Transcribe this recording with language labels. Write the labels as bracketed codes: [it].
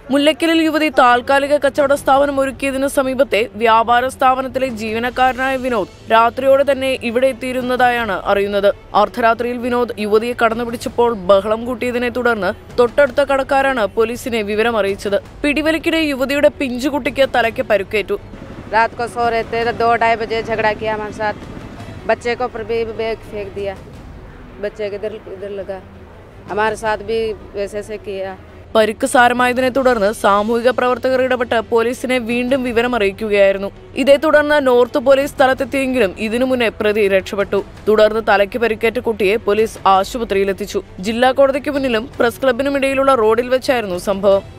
[ml] മുല്ലക്കലിൽ യുവതി താൽക്കാലിക കച്ചവട സ്ഥാപനം ഒരുക്കിയതിനു സമീപത്തെ വ്യാപാര സ്ഥാപനത്തിലെ ജീവനക്കാരനായ വിനോദ് രാത്രിയോടെ തന്നെ ഇവിടെ എത്തിയിരുന്നതായാണ് അറിയുന്നത്. അർദ്ധരാത്രിയിൽ വിനോദ് യുവതിയെ കടന്നുപിടിച്ചപ്പോൾ ബഹളം കൂട്ടിയതിനെ തുടർന്ന് തൊട്ടടുത്ത കടക്കാരാണ് പോലീസിനെ വിവരം അറിയിച്ചത്. പിടിവലിക്കിടെ യുവതിയുടെ പിഞ്ചുകുട്ടിക്ക് തലയ്ക്ക് പരുക്കേറ്റു. [hi] रात को सो रहे थे, 2:30 झगड़ा किया हमारे साथ. बच्चे को पर भी बैग फेंक दिया, बच्चे के इधर इधर लगा, हमारे साथ भी वैसे से किया. [ml] പരിക്ക് സാരമായതിനെ തുടർന്ന് സാമൂഹിക പ്രവർത്തകർ ഇടപെട്ട് പോലീസിനെ വീണ്ടും വിവരം അറിയിക്കുകയായിരുന്നു. ഇതേ തുടർന്ന് നോർത്ത് പോലീസ് സ്ഥലത്തെത്തിയെങ്കിലും ഇതിനു മുന്നേ പ്രതി രക്ഷപ്പെട്ടു. തുടർന്ന് തലയ്ക്ക് പരിക്കേറ്റ കുട്ടിയെ പോലീസ് ആശുപത്രിയിലെത്തിച്ചു. ജില്ലാ കോടതിക്ക് മുന്നിലും പ്രസ് ക്ലബിനും ഇടയിലുള്ള റോഡിൽ വെച്ചായിരുന്നു സംഭവം.